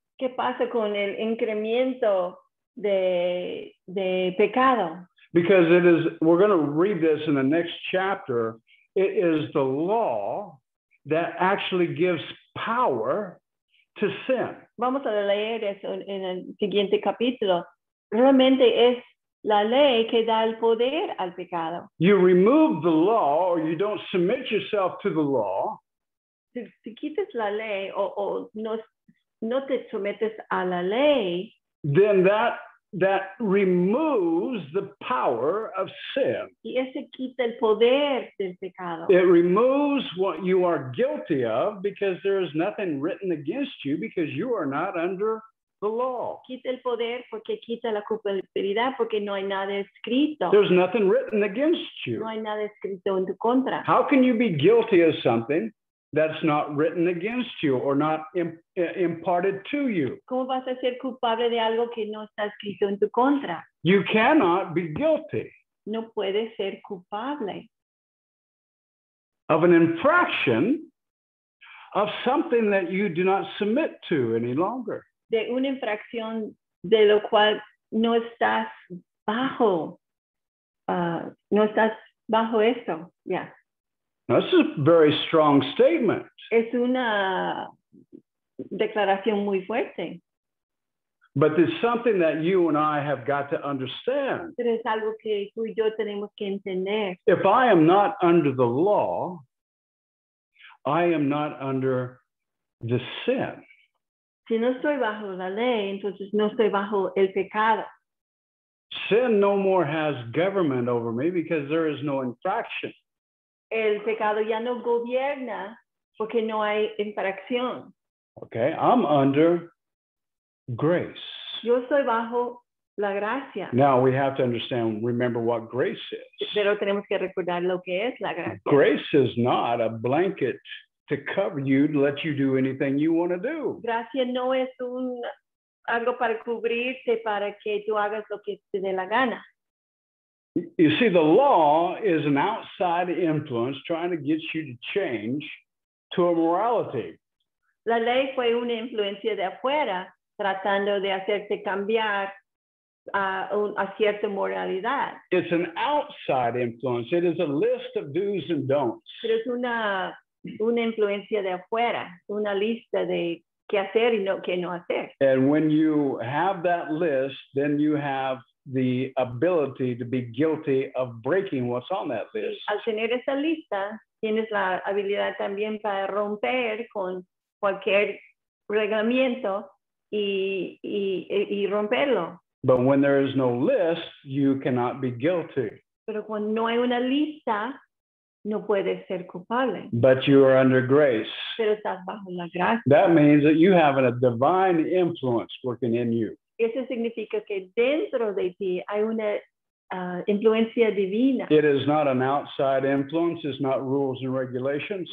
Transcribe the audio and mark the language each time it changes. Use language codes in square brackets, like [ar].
[es] ¿Qué pasa con el incremento de pecado? [en] Because it is, we're going to read this in the next chapter, it is the law that actually gives power to sin. [es] Vamos a leer eso en el siguiente capítulo. Realmente es la ley que da el poder al pecado. [en] You remove the law or you don't submit yourself to the law. [es] Si quitas la ley o no te sometes a la ley, [en] then that removes the power of sin. [es] Y ese quita el poder del pecado. [en] It removes what you are guilty of because there is nothing written against you because you are not under the law. [es] Quita el poder porque quita la culpabilidad porque no hay nada escrito. [en] There's nothing written against you. [es] No hay nada escrito en tu contra. [en] How can you be guilty of something that's not written against you or not imparted to you? [es] ¿Cómo vas a ser culpable de algo que no está escrito en tu contra? [en] You cannot be guilty. [es] No puedes ser culpable. [en] Of an infraction of something that you do not submit to any longer. [es] De una infracción de lo cual no estás bajo. No estás bajo eso. Yeah. [en] Now, this is a very strong statement. [es] Es una declaración muy fuerte. [en] But there's something that you and I have got to understand. [es] Pero es algo que tú y yo tenemos que entender. [en] If I am not under the law, I am not under the sin. [es] Si no estoy bajo la ley, entonces no estoy bajo el pecado. [en] Sin no more has government over me because there is no infraction. [es] El pecado ya no gobierna porque no hay infracción. [en] Okay, I'm under grace. [es] Yo estoy bajo la gracia. [en] Now we have to understand, remember what grace is. [es] Pero tenemos que recordar lo que es la gracia. [en] Grace is not a blanket to cover you, to let you do anything you want to do. [es] Gracia no es algo para cubrirte, para que tú hagas lo que te dé la gana. [en] You see, the law is an outside influence trying to get you to change to a morality. [es] La ley fue una influencia de afuera tratando de hacerte cambiar a cierta moralidad. [en] It's an outside influence. It is a list of do's and don'ts. [es] Pero es una influencia de afuera, una lista de qué hacer y no qué no hacer. [en] And when you have that list, then you have the ability to be guilty of breaking what's on that list. [es] Y al tener esa lista, tienes la habilidad también para romper con cualquier reglamento y romperlo. [en] But when there is no list, you cannot be guilty. [es] Pero cuando no hay una lista, no puedes ser culpable. [en] But you are under grace. [es] Pero estás bajo la gracia. [en] That means that you have a divine influence working in you. [es] Eso significa que dentro de ti hay una influencia divina. [en] It is not an outside influence. It's not rules and regulations.